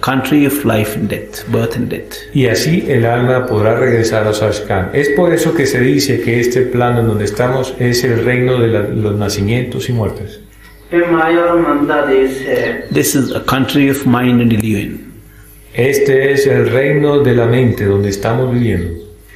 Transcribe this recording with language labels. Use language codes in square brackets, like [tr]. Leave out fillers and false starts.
[en] country of life and death, birth and death. [es] Y así el alma podrá regresar a su ashkan. Es por eso que se dice que este plano en donde estamos es el reino de los nacimientos y muertes. [en] This is a country of mind and illusion. [es] Este es el reino de la mente donde estamos viviendo.